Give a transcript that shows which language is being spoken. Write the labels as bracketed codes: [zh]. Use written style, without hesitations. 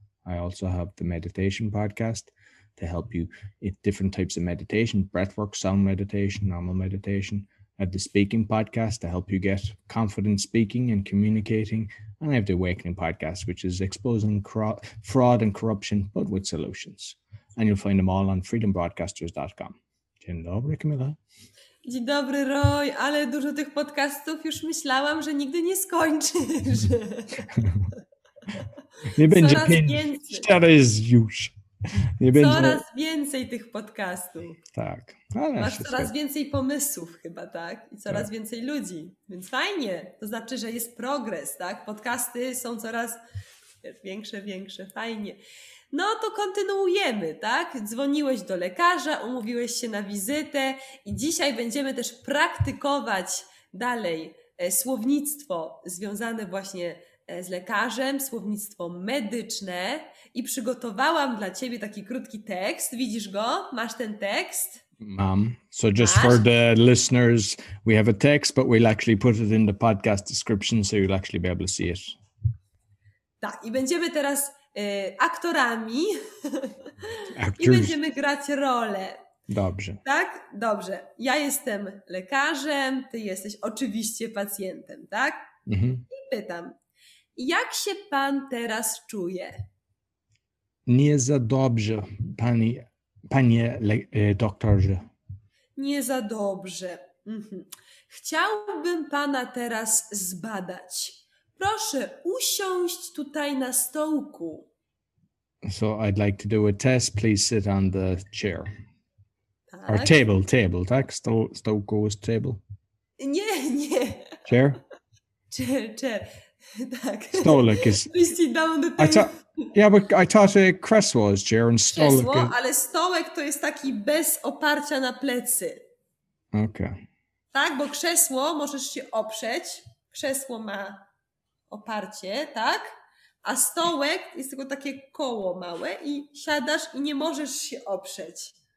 [en] I also have the meditation podcast to help you with different types of meditation, breathwork, sound meditation, normal meditation. I have the speaking podcast to help you get confident speaking and communicating. And I have the Awakening podcast, which is exposing fraud and corruption, but with solutions. And you'll find them all on freedombroadcasters.com. [pl] Dzień dobry, Kamila. Dzień dobry, Roy. Ale dużo tych podcastów już myślałam, że nigdy nie skończysz. Nie będzie pięć. Teraz jest już. Coraz więcej tych podcastów. Tak. Ale masz wszystko. Coraz więcej pomysłów chyba, tak? I coraz tak. Więcej ludzi. Więc fajnie. To znaczy, że jest progres, tak? Podcasty są coraz większe. Fajnie. No to kontynuujemy, tak? Dzwoniłeś do lekarza, umówiłeś się na wizytę i dzisiaj będziemy też praktykować dalej słownictwo związane właśnie z lekarzem, słownictwo medyczne. I przygotowałam dla ciebie taki krótki tekst. Widzisz go? Masz ten tekst? Mam. [en] So just for the listeners, we have a text, but we'll actually put it in the podcast description, so you'll actually be able to see it. [pl] Tak, i będziemy teraz aktorami. Actors. I będziemy grać rolę. Dobrze. Tak? Dobrze. Ja jestem lekarzem, ty jesteś oczywiście pacjentem, tak? Mm-hmm. I pytam, jak się pan teraz czuje? Nie za dobrze, panie doktorze. Nie za dobrze. Chciałbym pana teraz zbadać. Proszę usiąść tutaj na stołku. [en] So I'd like to do a test. Please sit on the chair. Tak. Or table, tak? Stołku is table. [pl] Nie. [en] Chair. [pl] Tak. [en] Stolek is... Please sit down on the table. Yeah, but I thought a krzesło is chair and stolek. [pl] Krzesło, ale stołek to jest taki bez oparcia na plecy. Okay. Tak, bo krzesło możesz się oprzeć. Krzesło ma oparcie, tak? A stołek jest tylko takie koło małe i siadasz i nie możesz się oprzeć.